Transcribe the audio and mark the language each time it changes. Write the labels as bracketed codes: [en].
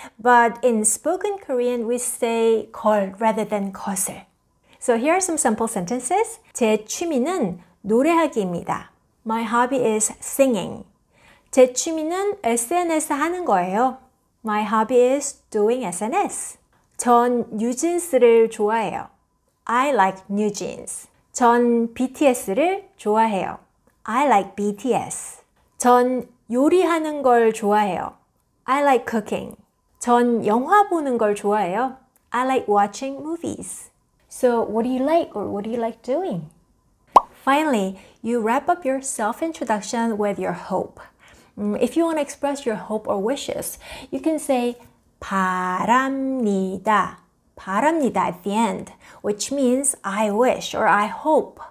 [en] But in spoken Korean, we say 걸 rather than 것을. So here are some simple sentences. [ko] 제 취미는 노래하기입니다. [en] My hobby is singing. [ko] 제 취미는 SNS 하는 거예요. [en] My hobby is doing SNS. [ko] 전 뉴진스를 좋아해요. [en] I like new jeans. [ko] 전 BTS를 좋아해요. [en] I like BTS. [ko] 전 요리하는 걸 좋아해요. [en] I like cooking. [ko] 전 영화 보는 걸 좋아해요. [en] I like watching movies. So what do you like or what do you like doing? Finally, you wrap up your self-introduction with your hope. If you want to express your hope or wishes, you can say 바랍니다. 바랍니다 at the end, which means I wish or I hope.